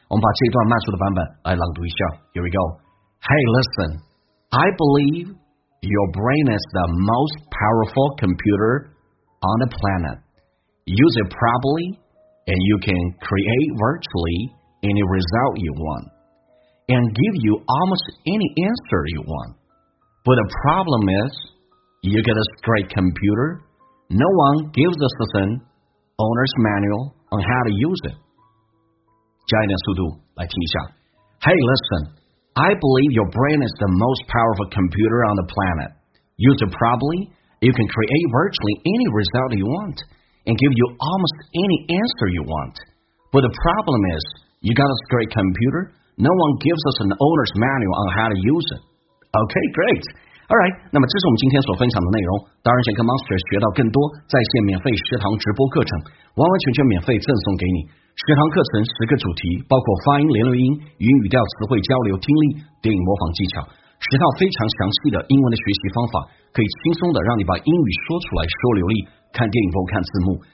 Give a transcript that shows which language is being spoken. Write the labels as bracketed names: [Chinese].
[Chinese] 我们把这一段慢速的版本来朗读一下。 [English] Here we go. Hey, listen. I believe your brain is the most powerful computer on the planet. Use it properly, and you can create virtually any result you want, and give you almost any answer you want. But the problem is, you get a straight computer, no one gives a system owner's manual. on how to use it. [Chinese] 加一点速度来听一下。 [English] Hey, listen, I believe your brain is the most powerful computer on the planet. Use it properly, you can create virtually any result you want and give you almost any answer you want. But the problem is, you got a great computer, no one gives us an owner's manual on how to use it. Okay, great. Alright, [Chinese] 那么这是我们今天所分享的内容。当然想跟 Monster 学到更多在线免费食堂直播课程，完完全全免费赠送给你。食堂课程十个主题，包括发音、连读音、语音语调、词汇交流、听力、电影模仿技巧，十套非常详细的英文的学习方法，可以轻松的让你把英语说出来说流利，看电影不看字幕。